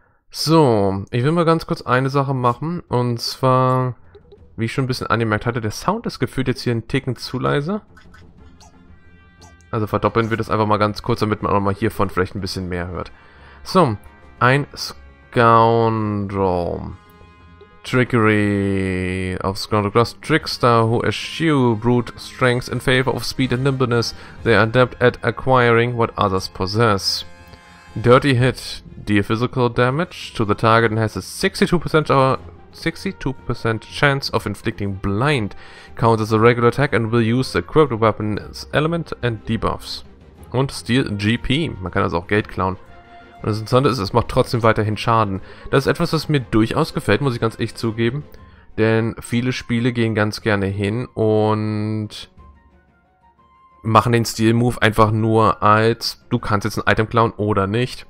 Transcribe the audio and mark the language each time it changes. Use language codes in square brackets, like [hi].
[de] So, ich will mal ganz kurz eine Sache machen. Und zwar, wie ich schon ein bisschen angemerkt hatte, der Sound ist gefühlt jetzt hier ein Ticken zu leise. Also verdoppeln wir das einfach mal ganz kurz, damit man auch mal hiervon vielleicht ein bisschen mehr hört. So, ein Scoundrel. [en] Trickery of Scroundrel Trickster who eschew brute strength in favor of speed and nimbleness. They are adept at acquiring what others possess. Dirty hit. Deal physical damage to the target and has a 62% chance of inflicting blind. Counts as a regular attack and will use the equipped weapon's element and debuffs. [de] Und steal GP. Man kann also auch Geld klauen. Und das Interessante ist, es macht trotzdem weiterhin Schaden. Das ist etwas, was mir durchaus gefällt, muss ich ganz ehrlich zugeben. Denn viele Spiele gehen ganz gerne hin und machen den Steal-Move einfach nur als, du kannst jetzt ein Item klauen oder nicht.